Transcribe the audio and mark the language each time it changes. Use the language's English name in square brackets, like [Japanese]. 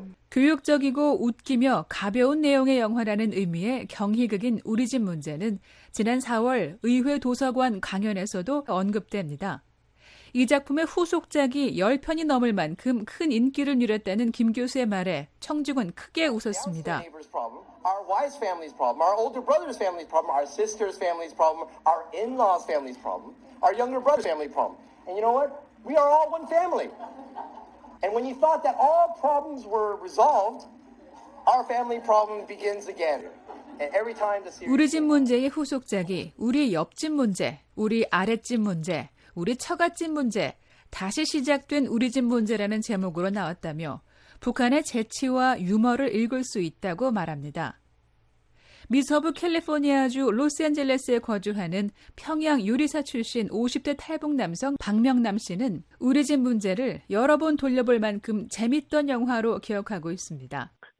[Korean] 교육적이고 웃기며 가벼운 내용의 영화라는 의미의 경희극인 우리 집 문제는 지난 4월 의회 도서관 강연에서도 언급됩니다. 이 작품의 후속작이 10편이 넘을 만큼 큰 인기를 누렸다는 김 교수의 말에 청중은 크게 웃었습니다. [English] Our wife's family's problem, our older brother's family's problem, our sister's family's problem, our in-law's family's problem, our younger brother's family problem. And you know what? We are all one family. And when you thought that all problems were resolved, our family problem begins again. [Korean] 우리 집 문제의 후속작이 우리 옆집 문제, 우리 아랫집 문제, 우리 처갓집 문제, 다시 시작된 우리 집 문제라는 제목으로 나왔다며 북한의 재치와 유머를 읽을 수 있다고 말합니다. 미서부 캘리포니아주 로스앤젤레스에 거주하는 평양 요리사 출신 50대 탈북 남성 박명남 씨는 우리 집 문제를 여러 번 돌려볼 만큼 재밌던 영화로 기억하고 있습니다.